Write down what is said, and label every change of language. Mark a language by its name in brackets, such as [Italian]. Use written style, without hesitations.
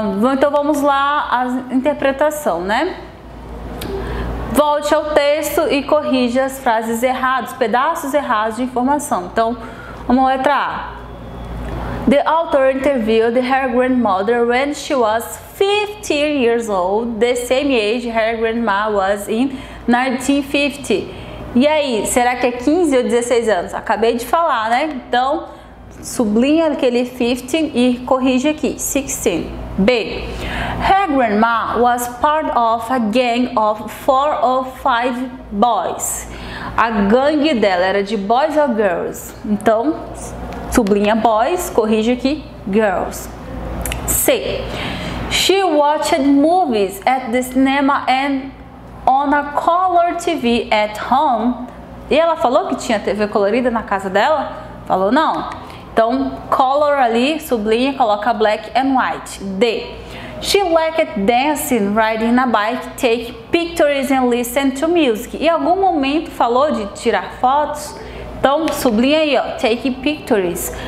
[Portuguese] Então vamos lá à interpretação, né? Volte ao texto e corrija as frases erradas, pedaços errados de informação. Então, vamos à letra A. [English] The author interviewed her grandmother when she was 15 years old, the same age her grandma was in 1950. [Portuguese] E aí, será que é 15 ou 16 anos? Acabei de falar, né? Então, sublinha aquele 15 e corrige aqui, 16. B. [English] Her grandma was part of a gang of 4 or 5 boys. [Portuguese] A gangue dela era de [English] boys or girls? [Portuguese] Então, sublinha boys, corrige aqui, girls. C. [English] She watched movies at the cinema and on a color TV at home. [Portuguese] E ela falou que tinha TV colorida na casa dela? Falou não. Então, color ali, sublinha, coloca [English] black and white. [Portuguese] D. [English] She liked dancing, riding a bike, take pictures and listen to music. [Portuguese] Em algum momento falou de tirar fotos? Então, sublinha aí, ó, [English] take pictures.